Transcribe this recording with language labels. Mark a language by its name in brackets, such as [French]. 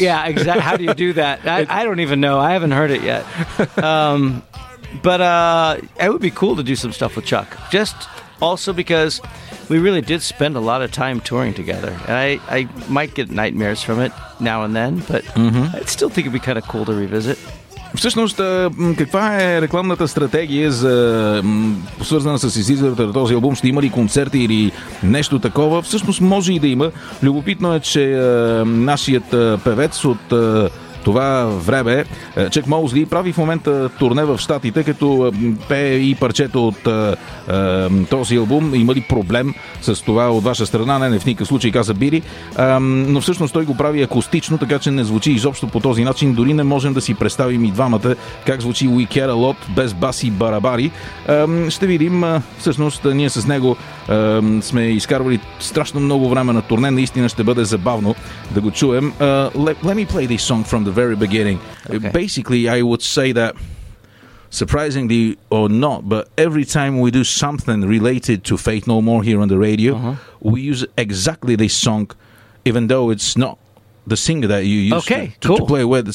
[English] Yeah, exactly. How do you do that? I don't even know. I haven't heard it yet. But it would be cool to do some stuff with Chuck. Just also because we really did spend a lot of time touring together. And I might get nightmares from it now and then, but I still think it'd be kind of cool to revisit. [Bulgarian] Всъщност, каква е рекламната стратегия за свързана с излизането на този албум? Ще има ли концерти или нещо такова? Всъщност може и да има. Любопитно е, че нашият певец от това време, Чак Моузли, прави в момента турне в Штатите, като пее и парчета от този албум. Има ли проблем с това от ваша страна? Не, в никакъв случай, каза Бири. Но всъщност той го прави акустично, така че не звучи изобщо по този начин. Дори не можем да си представим и двамата как звучи We Care A Lot без бас и барабари. Ще видим. Всъщност ние с него сме изкарвали страшно много време на турне. Наистина ще бъде забавно да го чуем. [English] Let me play this song from the very beginning. Okay. Basically, I would say that, surprisingly or not, but every time we do something related to Faith No More here on the radio, we use exactly this song, even though it's not the singer that you used to play with.